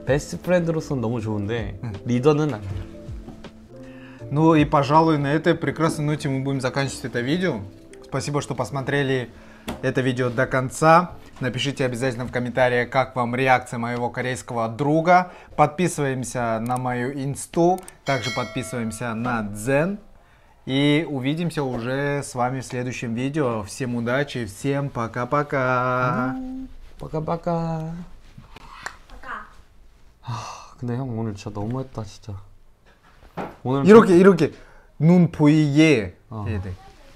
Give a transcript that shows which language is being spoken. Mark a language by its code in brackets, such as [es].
[ko] 베스트 프렌드로서는 너무 좋은데 리더는 아니야. [ru] Ну и, пожалуй, на этой прекрасной ноте мы будем заканчивать это видео. Спасибо, что посмотрели это видео до конца. Напишите обязательно в комментариях, как вам реакция моего корейского друга. Подписываемся на мою инсту, также подписываемся на Дзен. И увидимся уже с вами в следующем видео. Всем удачи, всем пока-пока. Пока-пока. Пока. [ko] 근데 형 오늘 진짜 너무했다, 진짜. 이렇게 눈 보이게 해야 돼.